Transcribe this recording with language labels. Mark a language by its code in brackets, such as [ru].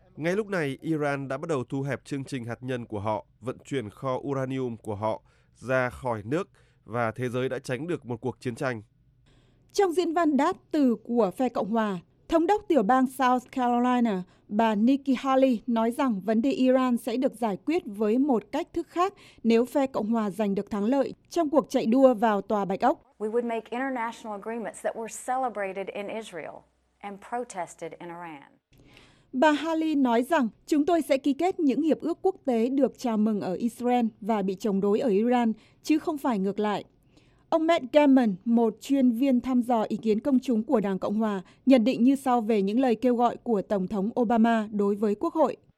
[vi] Ngay lúc này, Iran đã bắt đầu thu hẹp chương trình hạt nhân của họ, vận chuyển kho uranium của họ ra khỏi nước và thế giới đã tránh được một cuộc chiến tranh. Trong diễn văn đáp từ của phe Cộng hòa, Thống đốc tiểu bang South Carolina, bà Nikki Haley nói rằng vấn đề Iran sẽ được giải quyết với một cách thức khác nếu phe Cộng hòa giành được thắng lợi trong cuộc chạy đua vào Tòa Bạch Ốc. [en] We would make international agreements that were celebrated in Israel and protested in Iran. [vi] Bà Haley nói rằng chúng tôi sẽ ký kết những hiệp ước quốc tế được chào mừng ở Israel và bị chống đối ở Iran, chứ không phải ngược lại. Ông Matt Gaiman, một chuyên viên thăm dò ý kiến công chúng của Đảng Cộng Hòa, nhận định như sau về những lời kêu gọi của Tổng thống Obama đối với Quốc hội.